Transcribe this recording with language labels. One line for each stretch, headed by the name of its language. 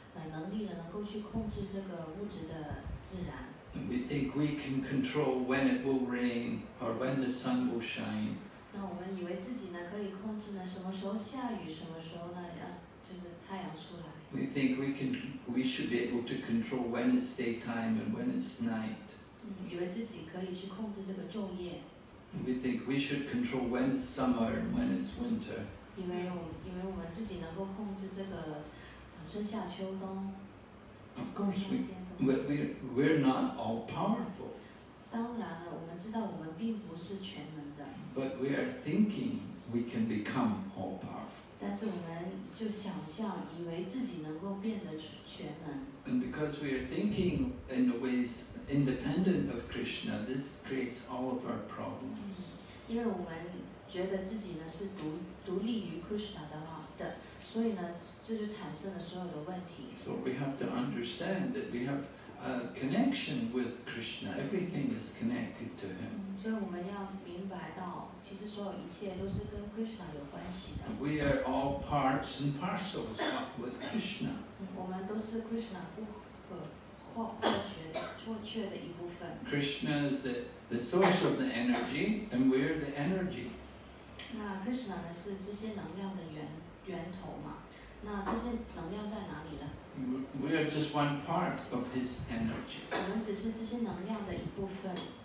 Chinese: 能力能够去控制这个物质的自然。
English: We think we can control when it will rain or when the sun will shine.
Chinese: 那我们以为自己呢可以控制呢什么时候下雨，什么时候呢就是太阳出来。
English: We think we should be able to control when it's daytime and when it's night.
Chinese: 以为自己可以去控制这个昼夜。
English: We think we should control when it's summer and when it's winter.
Chinese: 因为我们自己能够控制这个春夏秋冬。
English: Of course, we're not all powerful.
Chinese: 当然了，我们知道我们并不是全能的。
English: But we are thinking we can become all powerful.
Chinese: 但是我们就想象，以为自己能够变得全能。
English: And because we are thinking in the ways independent of Krishna, this creates all of our problems.
Chinese: 因为我们觉得自己呢是独立于 Krishna 的，所以呢。这就产生了所有的问题。
English: So we have to understand that we have a connection with Krishna. Everything is connected to him.
Chinese: 所以我们要明白到，其实所有一切都是跟 Krishna 有关系的。
English: We are all parts and parcels with Krishna.
Chinese: 我们都是 Krishna 不可或缺的一部分。
English: Krishna is the source of the energy, and we are the energy.
Chinese: 那 Krishna 呢是这些能量的源头嘛？那这些能量在哪里呢？
English: We are just one part of his energy.
Chinese: 我们只是这些能量的一部分。